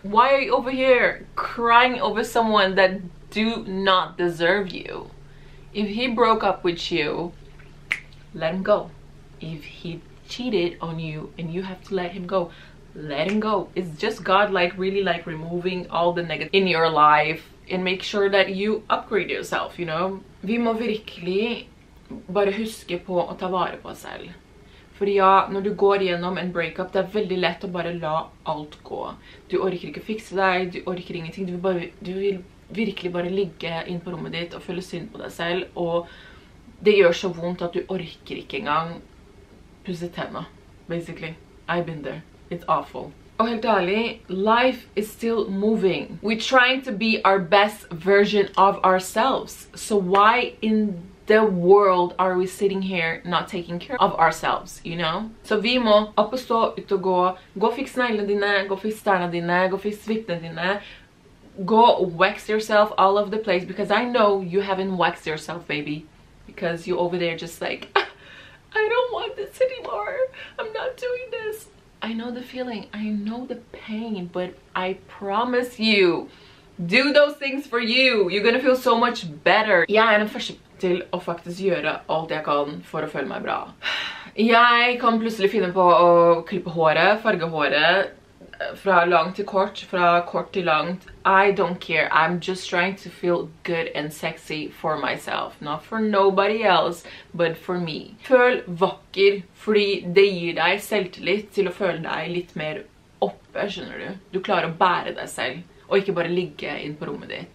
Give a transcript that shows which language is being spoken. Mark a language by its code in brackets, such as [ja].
[en] Why are you over here crying over someone that do not deserve you? If he broke up with you, let him go. If he cheated on you and you have to let him go, let him go. It's just God like really like removing all the negative in your life and make sure that you upgrade yourself, you know? [no] Vi må virkelig bare huske på å ta vare på oss selv. Fordi ja, når du går gjennom en breakup, det veldig lett å bare la alt gå. Du orker ikke fikse deg, du orker ingenting, du vil virkelig bare ligge inn på rommet ditt og føle synd på deg selv, og det gjør så vondt at du orker ikke engang pusse tenna. [en] Basically, I've been there. It's awful. [no] Og helt ærlig, [en] life is still moving. We're trying to be our best version of ourselves. So why in the world are we sitting here not taking care of ourselves, you know? [no] Så vi må opp og stå, ut og gå. Gå og fikse neglene dine, gå og fikse tærne dine, gå og fikse vippene dine. [en] Go wax yourself all over the place, because I know you haven't waxed yourself, baby. Because you're over there just like, I don't want this anymore. I'm not doing this. I know the feeling. I know the pain. But I promise you, Do those things for you. You're gonna feel so much better. [no] Jeg den første til å faktisk gjøre alt jeg kan for å føle meg bra. Jeg kan plutselig finne på å klippe håret, farge håret. Fra langt til kort, fra kort til langt. [en] I don't care. I'm just trying to feel good and sexy for myself. Not for nobody else, but for me. [no] Føl vakker, fordi det gir deg selvtillit til å føle deg litt mer oppe, skjønner du? Du klarer å bære deg selv, og ikke bare ligge inn på rommet ditt.